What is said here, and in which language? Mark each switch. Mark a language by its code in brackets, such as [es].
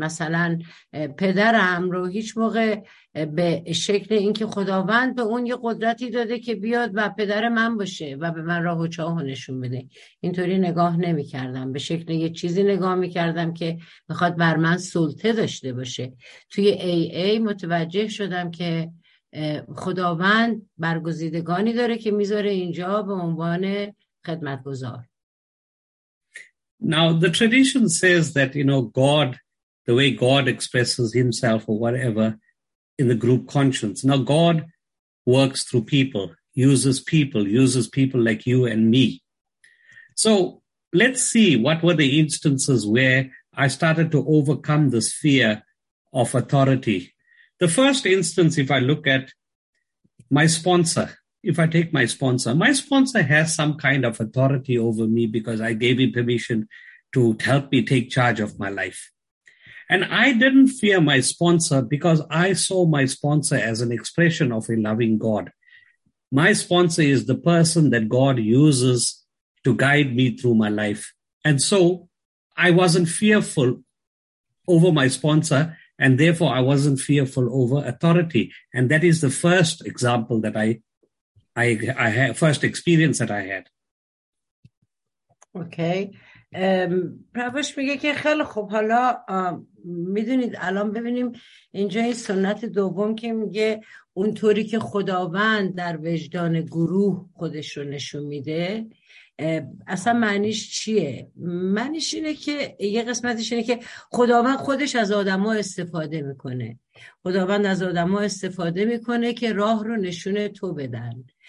[fa] مثلا پدرم رو هیچ موقع به شکل اینکه خداوند به اون یه قدرتی داده که بیاد و پدر من باشه و به من راه و چاه رو نشون بده، اینطوری نگاه نمی کردم. به شکل یه چیزی نگاه می کردم که میخواد بر من سلطه داشته باشه. توی AA متوجه شدم که خداوند برگزیدگانی داره که میذاره اینجا به عنوان خدمتگزار. [en] Now, the tradition says that, you know, God, the way God expresses himself or whatever in the group conscience. Now, God works through people, uses people like you and me. So let's see what were the instances where I started to overcome this fear of authority. The first instance, if I look at my sponsor, if I take my sponsor has some kind of authority over me because I gave him permission to help me take charge of my life. And I didn't fear my sponsor because I saw my sponsor as an expression of a loving God. My sponsor is the person that God uses to guide me through my life. And so I wasn't fearful over my sponsor, and therefore I wasn't fearful over authority. And that is the first example that I had, first experience that I had. Okay. [fa] پروش میگه که خیلی خب، حالا میدونید الان ببینیم اینجا این سنت دوم که میگه اونطوری که خداوند در وجدان گروه خودش رو نشون میده، اصلا معنیش چیه؟ معنیش اینه که یه قسمتش اینه که خداوند خودش از آدم ها استفاده میکنه، خداوند از آدم ها استفاده میکنه که راه رو نشونه تو بدن.